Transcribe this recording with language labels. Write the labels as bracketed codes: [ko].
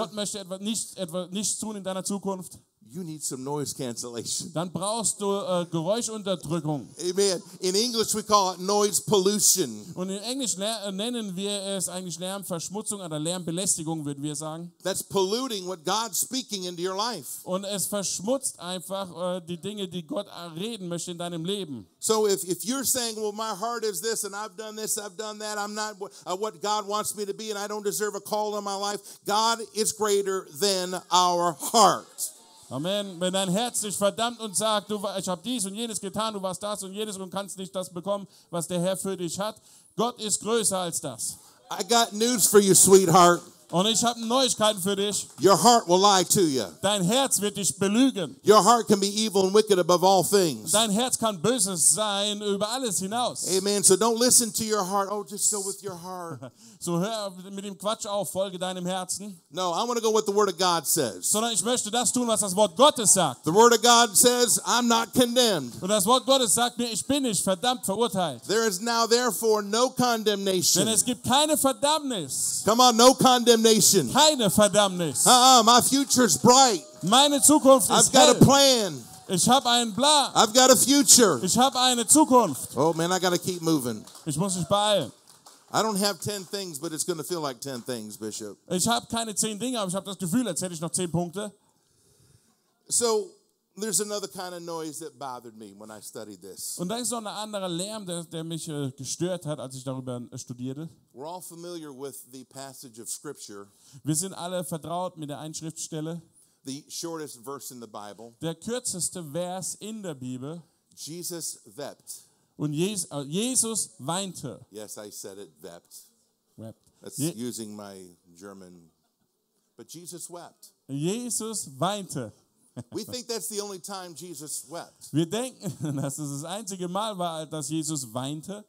[de] Gott möchte etwas nichts tun in deiner Zukunft. [en] you need some noise cancellation. [de] Dann brauchst du Geräuschunterdrückung. [en] Amen. In English we call it noise pollution. [de] Und in Englisch nennen wir es eigentlich Lärmverschmutzung oder Lärmbelästigung, würden wir sagen. [en] That's polluting what God's speaking into your life. [de] Und es verschmutzt einfach die Dinge, die Gott reden möchte in deinem Leben. [en] So if you're saying, well, my heart is this and I've done this, I've done that, I'm not what God wants me to be and I don't deserve a call on my life, God is greater than our heart. Amen. [de] Wenn dein Herz dich verdammt und sagt, du, ich habe dies und jenes getan, du warst das und jenes und kannst nicht das bekommen, was der Herr für dich hat, Gott ist größer als das. [en] I got news for you, sweetheart. [de] Und ich habe Neuigkeiten für dich. [en] Your heart will lie to you. [de] Dein Herz wird dich belügen. [en] Your heart can be evil and wicked above all things. [de] Dein Herz kann böses sein über alles hinaus. [en] Amen. So don't listen to your heart. Oh, just go with your heart. [de] So hör mit dem Quatsch auf, folge deinem Herzen. [en] No, I want to go with the Word of God says. [de] Sondern ich möchte das tun, was das Wort Gottes sagt. [en] The Word of God says, I'm not condemned. [de] Und das Wort Gottes sagt mir, ich bin nicht verdammt verurteilt. [en] There is now therefore no condemnation. [de] Denn es gibt keine Verdammnis. [en] Come on, no condemnation. [de] Keine Verdammnis. [en] My future is bright. [de] Meine Zukunft ist hell. [en] I've got a plan. [de] Ich habe einen Plan. [en] I've got a future. [de] Ich habe eine Zukunft. [en] Oh man, I got to keep moving. [de] Ich muss mich beeilen. [en] I don't have 10 things, but it's going to feel like 10 things, Bishop. [de] Ich habe keine 10 Dinge, aber ich habe das Gefühl, als hätte ich noch 10 Punkte. [en] So, there's another kind of noise that bothered me when I studied this. [de] Und da ist noch ein anderer Lärm, der mich gestört hat, als ich darüber studierte. [en] We're all familiar with the passage of Scripture. [de] Wir sind alle vertraut mit der Einschriftstelle. [en] The shortest verse in the Bible. [de] Der kürzeste Vers in der Bibel. [en] Jesus wept. [de] Und Jesus weinte. [en] Yes, I said it, wept. Wept. That's using my German. But Jesus wept. [de] Jesus weinte. [en] We think that's the only time Jesus wept. [de] Wir denken, dass es das einzige Mal war, dass Jesus weinte.